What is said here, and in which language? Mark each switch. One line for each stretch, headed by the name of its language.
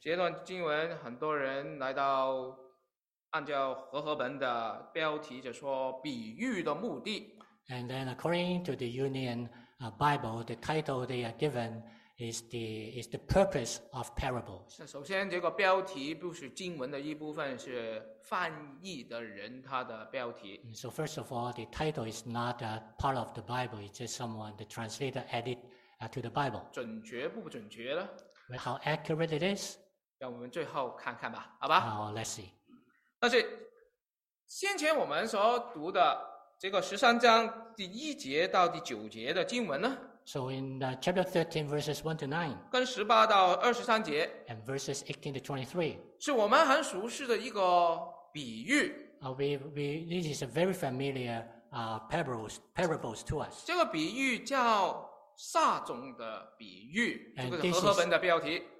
Chinese: 这段经文很多人来到按照和合本的标题就说比喻的目的。
English: And then according to the Union Bible, the title they are given is the purpose of parables.
Chinese: 首先这个标题不是经文的一部分，是翻译的人他的标题。
English: So first of all, the title is not a part of the Bible, it's just someone, the translator added to the Bible.
Chinese: 准确不准确呢？
English: How accurate it is?
Chinese: 让我们最后看看吧，好吧？
English: Let's see.
Chinese: 但是先前我们所读的这个十三章第一节到第九节的经文呢？
English: So in chapter 13, verses 1 to 9,
Chinese: 跟十八到二十三节，
English: and verses 18 to 23,
Chinese: 是我们很熟悉的一个比喻。
English: This is a very familiar parables to us.
Chinese: 这个比喻叫撒种的比喻，这个是和合本的标题。